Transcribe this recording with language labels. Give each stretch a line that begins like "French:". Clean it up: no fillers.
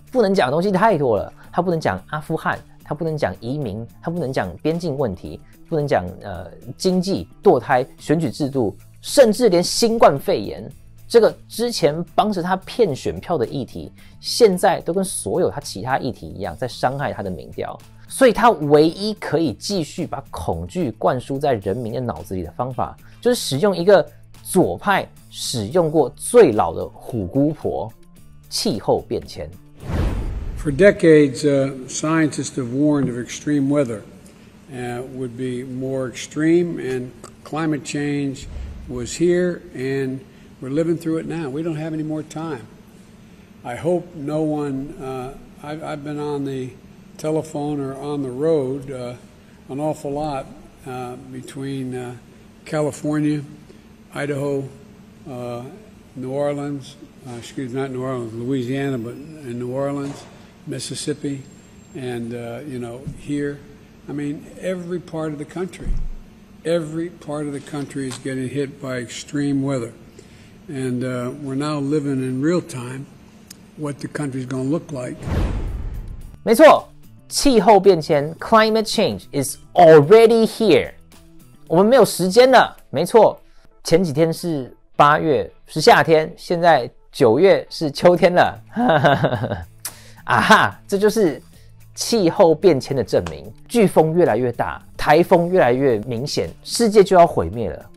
Chinese: 不能讲的东西太多了，他不能讲阿富汗。他不能讲移民，他不能讲边境问题，不能讲经济、堕胎、选举制度，甚至连新冠肺炎这个之前帮着他骗选票的议题，现在都跟所有他其他议题一样，在伤害他的民调。所以他唯一可以继续把恐惧灌输在人民的脑子里的方法，就是使用一个左派使用过最老的虎姑婆——气候变迁。
English: For decades, scientists have warned of extreme weather would be more extreme, and climate change was here, and we're living through it now. We don't have any more time. I hope no one, I've been on the telephone or on the road an awful lot between California, Idaho, New Orleans, Louisiana, but in New Orleans. Mississippi, and, here. I mean, every part of the country is getting hit by extreme weather. And we're now living in real time what the country's going to look like.
Chinese: 没错，气候变迁
English: climate change is already here.
Chinese: 我们没有时间了，没错，前几天是八月，是夏天，现在九月是秋天了。啊哈，这就是气候变迁的证明。飓风越来越大，台风越来越明显，世界就要毁灭了。